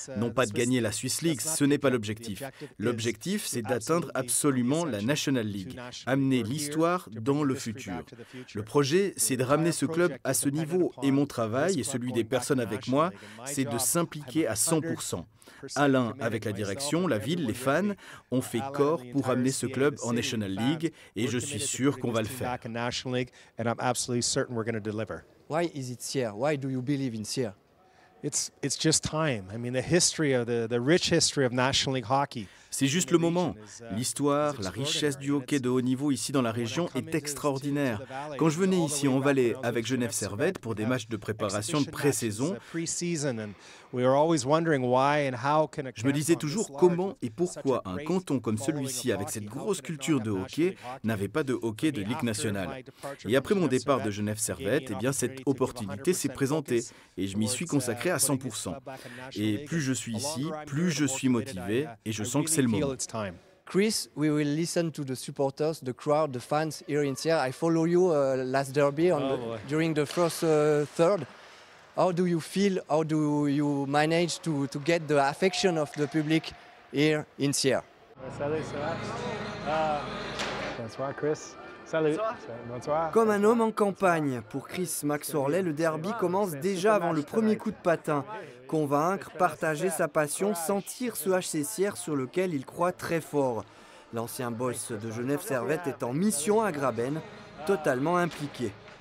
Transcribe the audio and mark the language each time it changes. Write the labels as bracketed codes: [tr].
[fr] Non pas de gagner la Swiss League, ce n'est pas l'objectif. L'objectif, c'est d'atteindre absolument la National League, amener l'histoire dans le futur. Le projet, c'est de ramener ce club à ce niveau et mon travail et celui des personnes avec moi, c'est de s'impliquer à 100%. Alain, avec la direction, la ville, les fans, on fait corps pour amener ce club en National League et je suis sûr qu'on va le faire. [en] National League, and I'm absolutely certain we're going to deliver. Why is it Sierre? Why do you believe in Sierre? It's just time. I mean, the history of the rich history of National League hockey. [fr] C'est juste le moment. L'histoire, la richesse du hockey de haut niveau ici dans la région est extraordinaire. Quand je venais ici en Valais avec Genève Servette pour des matchs de préparation de pré-saison, je me disais toujours comment et pourquoi un canton comme celui-ci avec cette grosse culture de hockey n'avait pas de hockey de Ligue nationale. Et après mon départ de Genève Servette, eh bien cette opportunité s'est présentée et je m'y suis consacré à 100%. Et plus je suis ici, plus je suis motivé et je sens que c'est le moment. [en] Chris, we will listen to the supporters, the crowd, the fans here in Sierre. I follow you last derby during the first third. How do you feel? How do you manage to get the affection of the public here in Sierre? [fr] Bonsoir, Chris. Salut. Bonsoir. Comme un homme en campagne, pour Chris Max Orlay, le derby commence déjà avant le premier coup de patin. Convaincre, partager sa passion, sentir ce HC Sierre sur lequel il croit très fort. L'ancien boss de Genève Servette est en mission à Graben, totalement impliqué.